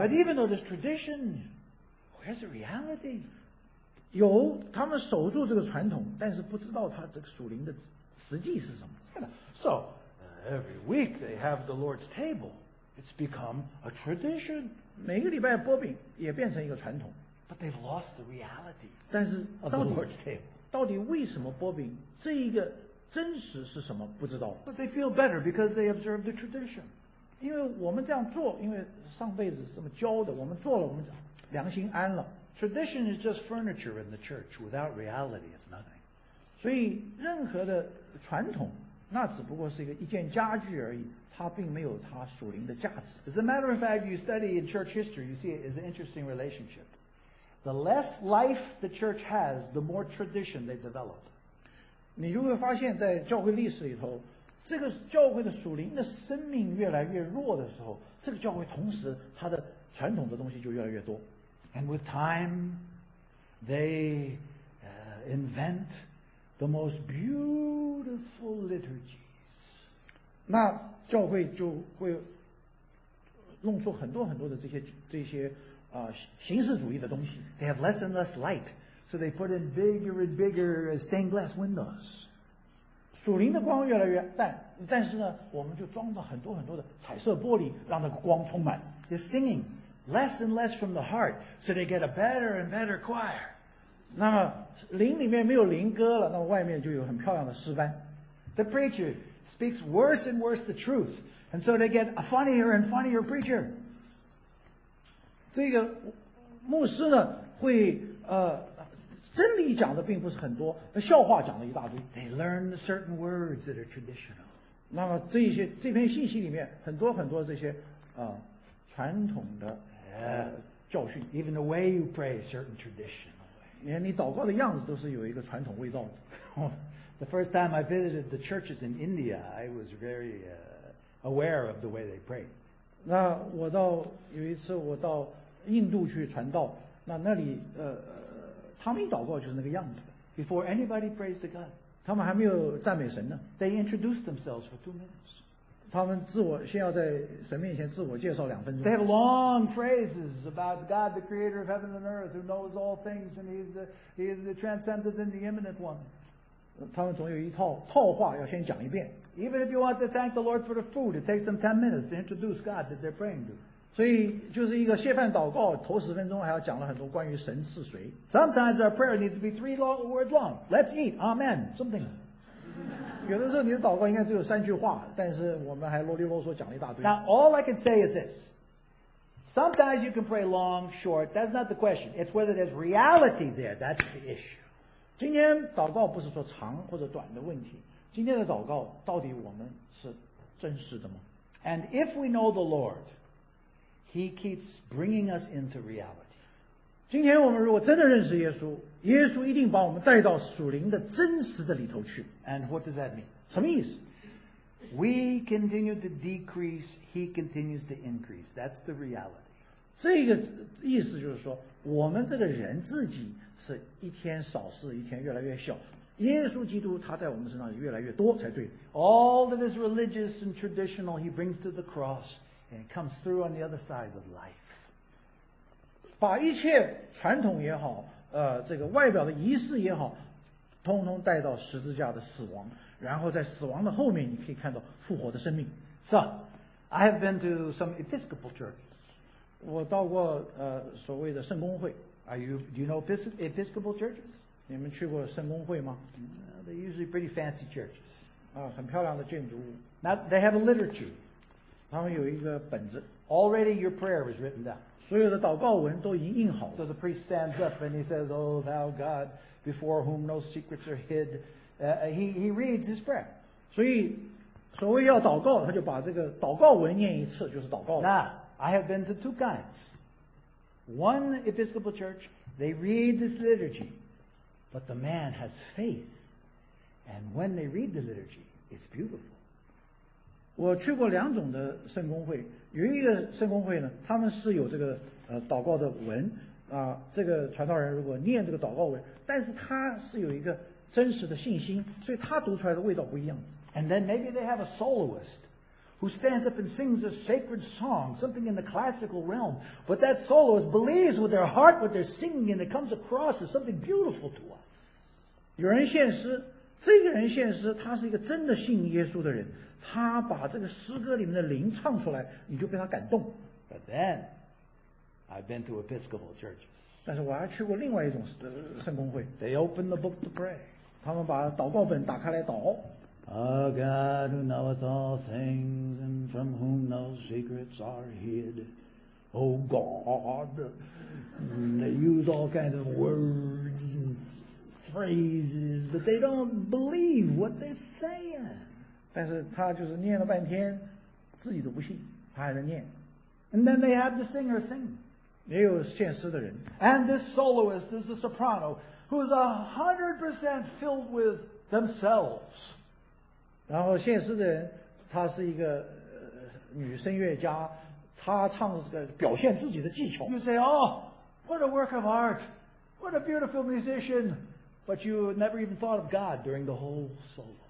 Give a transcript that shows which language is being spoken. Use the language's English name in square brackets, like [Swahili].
[English] But even though there's tradition, where's the reality? [Chinese] 有他们守住这个传统，但是不知道他这个属灵的实际是什么。 [English] So, every week they have the Lord's table. It's become a tradition. [Chinese] 每个礼拜拨饼也变成一个传统。 [English] But they've lost the reality. [Chinese] 但是到底 [English] of the Lord's table. [Chinese] 到底为什么拨饼这一个真实是什么不知道。 [English] But they feel better because they observe the tradition. [Chinese] 因为我们这样做，因为上辈子这么教的，我们做了，我们良心安了。 [English] Tradition is just furniture in the church. Without reality, it's nothing. [Chinese] 所以任何的传统，那只不过是一件家具而已，它并没有它属灵的价值。 [English] As a matter of fact, you study in church history, you see it's an interesting relationship. The less life the church has, the more tradition they develop. [Chinese] 你就会发现在教会历史里头，这个教会的属灵的生命越来越弱的时候，这个教会同时它的传统的东西就越来越多。 [English] And with time, they invent the most beautiful liturgies. [Chinese] 那教会就会弄出很多很多的这些形式主义的东西。 [English] They have less and less light, so they put in bigger and bigger stained glass windows. [Chinese] 属灵的光越来越淡，但是呢，我们就装到很多很多的彩色玻璃，让那个光充满。 [English] They're singing. Less and less from the heart, so they get a better and better choir. [Chinese] 那么灵里面没有灵歌了，那么外面就有很漂亮的诗班。 [English] The preacher speaks worse and worse the truth, and so they get a funnier and funnier preacher. [Chinese] 这个牧师呢，会真理讲的并不是很多，笑话讲了一大堆。 [English] They learn certain words that are traditional. [Chinese] 那么这篇信息里面很多很多这些传统的。教训 [English] even the way you pray is certain tradition. [Chinese] 连你祷告的样子都是有一个传统味道的。 [English] The first time I visited the churches in India, I was very aware of the way they pray. [Chinese] 那我到有一次我到印度去传道，那里他们一祷告就是那个样子。 [English] Before anybody prays to God, [Chinese] 他们还没有赞美神呢。 [English] They introduce themselves for 2 minutes. [Chinese] 他们自我先要在神面前自我介绍两分钟。 [English] They have long phrases about God, the Creator of heaven and earth, who knows all things, and He is the transcendent and the immanent one. [Chinese] 他们总有一套话要先讲一遍。 [English] Even if you want to thank the Lord for the food, it takes them 10 minutes to introduce God that they're praying to. [Chinese] 所以就是一个谢饭祷告，头十分钟还要讲了很多关于神是谁。 [English] Sometimes our prayer needs to be three long words long. Let's eat, Amen, something. [Chinese] 有的时候你的祷告应该只有三句话，但是我们还啰里啰嗦讲了一大堆。 [English] Now all I can say is this. Sometimes you can pray long, short. That's not the question. It's whether there's reality there. That's the issue. [Chinese] 今天祷告不是说长或者短的问题，今天的祷告到底我们是真实的吗？ [English] And if we know the Lord. He keeps bringing us into reality. [Chinese] 今天我们如果真的认识耶稣，耶稣一定把我们带到属灵的真实的里头去。 [English] And what does that mean? [Chinese] 什么意思？ [English] We continue to decrease, he continues to increase. That's the reality. [Chinese] 这个意思就是说，我们这个人自己是一天少事，一天越来越小。耶稣基督他在我们身上越来越多才对。 [English] All that is religious and traditional, he brings to the cross. And it comes through on the other side of life. [Chinese] 把一切传统也好，这个外表的仪式也好，通通带到十字架的死亡，然后在死亡的后面，你可以看到复活的生命。 [English] So, I have been to some Episcopal churches. [Chinese] 我到过所谓的圣公会。 [English] Do you know Episcopal churches? [Chinese] 你们去过圣公会吗？ [English] They're usually pretty fancy churches. [Chinese] 很漂亮的建筑物。 [English] Now they have a liturgy. [Chinese] 他们有一个本子。 [English] Already your prayer was written down. [Chinese] 所有的祷告文都已经印好了。 [English] So the priest stands up and he says, Oh thou God, before whom no secrets are hid. He reads his prayer. [Chinese] 所以所谓要祷告，他就把这个祷告文念一次，就是祷告文。 [English] Now, I have been to two kinds. One Episcopal church, they read this liturgy, but the man has faith. And when they read the liturgy, it's beautiful. [Chinese] 我去过两种的圣公会，有一个圣公会呢，他们是有这个祷告的文啊，这个传道人如果念这个祷告文，但是他是有一个真实的信心，所以他读出来的味道不一样。 [English] And then maybe they have a soloist who stands up and sings a sacred song, something in the classical realm. But that soloist believes with their heart what they're singing, and it comes across as something beautiful to us. [Chinese] 有人献诗。这个人现实他是一个真的信耶稣的人，他把这个诗歌里面的灵唱出来，你就被他感动。 [English] But then, I've been to Episcopal churches. [Chinese] 但是我还去过另外一种圣公会。 [English] They open the book to pray. [Chinese] 他们把祷告本打开来祷。 [English] Oh God, who knoweth all things, and from whom no secrets are hid. Oh God, they use all kinds of words and... phrases, but they don't believe what they're saying. [Chinese] 但是他就是念了半天，自己都不信，他还在念。 [English] And then they have the singer sing. [Chinese] 也有献诗的人。 [English] And this soloist is a soprano who is 100% filled with themselves. [Chinese] 然后献诗的人，她是一个女声乐家，她唱这个表现自己的技巧。 [English] You say, oh, what a work of art! What a beautiful musician! But you never even thought of God during the whole solo.